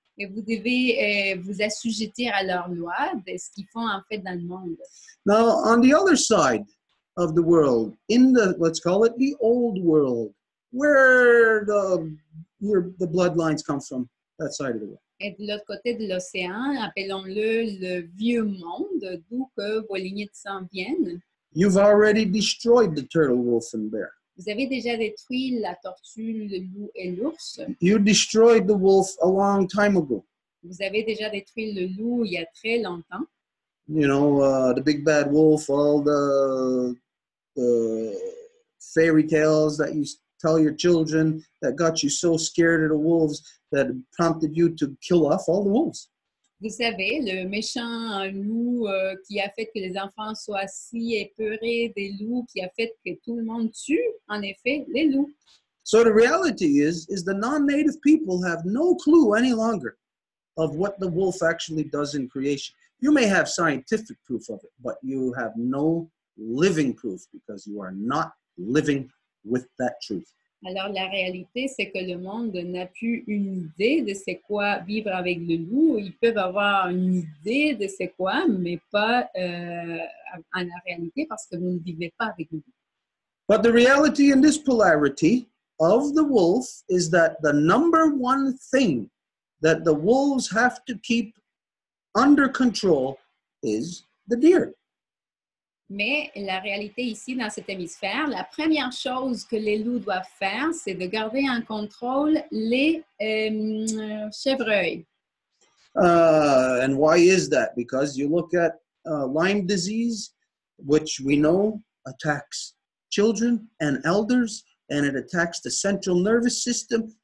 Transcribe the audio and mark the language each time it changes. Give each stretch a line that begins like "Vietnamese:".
French: Et vous devez vous assujettir à leurs lois, de ce qu'ils font en fait dans le monde.
English: Now, on the other side of the world, in the, let's call it the old world, where the bloodlines come from, that side of the world.
French: Et de l'autre côté de l'océan, appelons-le le vieux monde, d'où que vos lignées de sang viennent.
English: You've already destroyed the turtle, wolf, and bear.
French: Vous avez déjà détruit la tortue, le loup et l'ours.
English: You destroyed the wolf a long time ago.
French: Vous avez déjà détruit le loup il y a très longtemps.
English: You know, the big bad wolf, all the fairy tales that you tell your children that got you so scared of the wolves that prompted you to kill off all the wolves.
French: Vous savez, le méchant loup qui a fait que les enfants soient si épeurés des loups, qui a fait que tout le monde tue, en effet, les loups.
English: So the reality is the non-native people have no clue any longer of what the wolf actually does in creation. You may have scientific proof of it, but you have no living proof because you are not living with that truth.
French: Alors, la réalité, c'est que le monde n'a plus une idée de c'est quoi vivre avec le loup. Ils peuvent avoir une idée de c'est quoi, mais pas en la réalité, parce que vous ne vivez pas avec le loup.
English: But the reality in this polarity of the wolf is that the number one thing that the wolves have to keep under control is the deer.
French: Mais la réalité ici, dans cet hémisphère, la première chose que les loups doivent faire, c'est de garder en contrôle les chevreuils.
English: And why is that? Because you look at Lyme disease, which we know attacks children and elders, and it attacks the central nervous system.